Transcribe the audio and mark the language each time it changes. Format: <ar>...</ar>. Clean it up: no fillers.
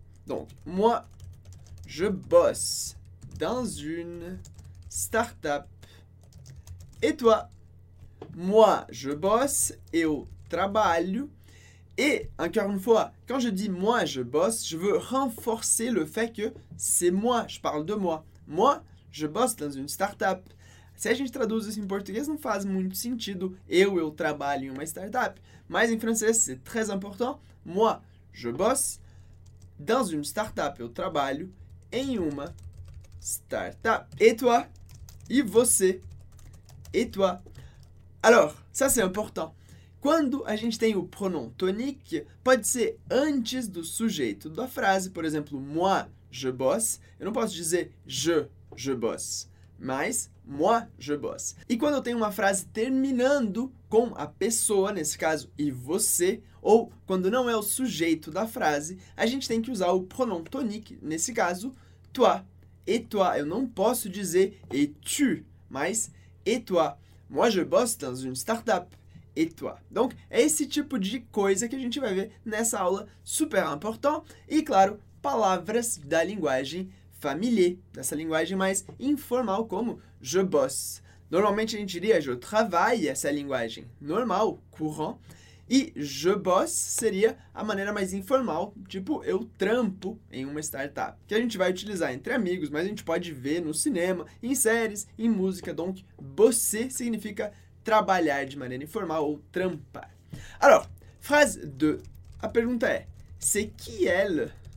<fr>Donc, moi, je bosse dans une start-up. Et toi? Moi, je bosse et au travail. Et encore une fois, quand je dis moi, je bosse, je veux renforcer le fait que c'est moi, je parle de moi. Moi, je bosse dans une start-up.</fr> <pt>Se a gente traduz isso em português, não faz muito sentido. Eu trabalho em uma startup. Mas em francês,</pt> <fr>c'est très important. Moi, je bosse dans une startup.</fr> <pt>Eu trabalho em uma startup.</pt> <fr>Et toi?</fr> <pt>E você?</pt> <fr>Et toi? Alors, ça c'est important.</fr> <pt>Quando a gente tem o pronom tonique, pode ser antes do sujeito da frase. Por exemplo,</pt> <fr>moi, je bosse.</fr> <pt>Eu não posso dizer</pt> <fr>je bosse.</fr> <pt>Mas,</pt> <fr>moi, je bosse.</fr> <pt>E quando eu tenho uma frase terminando com a pessoa, nesse caso, e você, ou quando não é o sujeito da frase, a gente tem que usar o pronom tonique, nesse caso, toi.</pt> <fr>Et toi.</fr> <pt>Eu não posso dizer</pt> <fr>et tu,</fr> <pt>mas</pt> <fr>et toi. Moi, je bosse dans une startup. Et toi.</fr> <pt>Donc, é esse tipo de coisa que a gente vai ver nessa aula</pt> <fr>super important.</fr> <pt>E, claro, palavras da linguagem familier, dessa linguagem mais informal, como</pt> <fr>je bosse.</fr> <pt>Normalmente a gente diria</pt> <fr>je travaille,</fr> <pt>essa linguagem normal, courant, e</pt> <fr>je bosse</fr> <pt>seria a maneira mais informal, tipo eu trampo em uma startup, que a gente vai utilizar entre amigos, mas a gente pode ver no cinema, em séries, em música. Donc, bosser significa trabalhar de maneira informal ou trampar.</pt> <fr>Alors, phrase 2,</fr> <pt>a pergunta é:</pt> <fr>c'est qui elle?</fr>